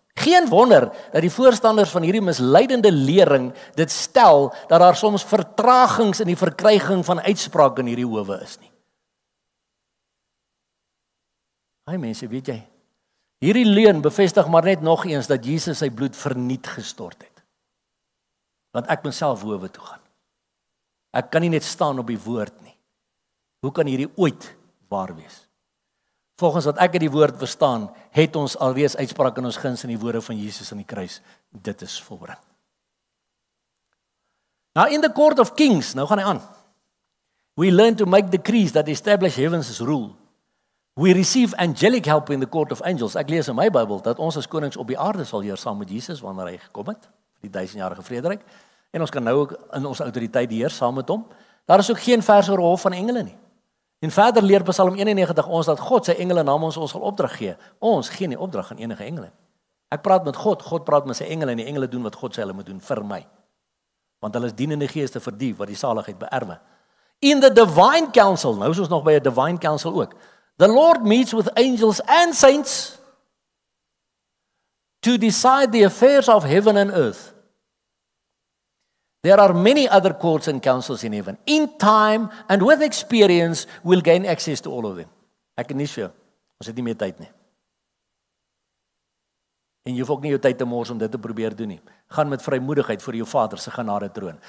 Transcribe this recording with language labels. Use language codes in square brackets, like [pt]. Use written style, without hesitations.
[af] Geen wonder dat die voorstanders van hierdie misleidende lering dit stel dat daar soms vertragings in die verkryging van uitsprake in hierdie howe is nie. Hy mense, weet jy, hierdie leuen bevestig maar net nog eens dat Jesus sy bloed verniet gestort het. Want ek myself howe toe gaan. Ek kan nie net staan op die woord nie. Hoe kan hierdie ooit waar wees? Volgens wat ek uit die woord verstaan, het ons alreeds uitspraak in ons guns in die woorde van Jesus aan die kruis. Dit is volbring. [en] Now in the court of kings, [af] nou gaan hy aan. [en] We learn to make decrees that establish heaven's rule. We receive angelic help in the court of angels. [af] Ek lees in my Bybel dat ons as konings op die aarde sal heers saam met Jesus wanneer hy gekom het, die duisendjarige vrederyk. En ons kan nou ook in ons autoriteit heers saam met hom. Daar is ook geen vers oor hof van engele nie. En verder leer Psalm 91 ons dat God sy engele naam ons sal opdrag gee. Ons gee nie opdrag aan enige engele. Ek praat met God, God praat met sy engele en die engele doen wat God sê hulle moet doen vir my. Want hulle is dienende geeste vir die wat die saligheid beerwe. [en] In the divine council, [af] nou is ons nog by 'n divine council ook. [en] The Lord meets with angels and saints to decide the affairs of heaven and earth. There are many other courts and councils in heaven. In time and with experience, we'll gain access to all of them. [af] Ek is nie sure. Ons het nie meer tyd nie. En jy hoef ook nie jou tyd te mors om dit te probeer doen nie. Gaan met vrymoedigheid voor jou Vader se genade troon.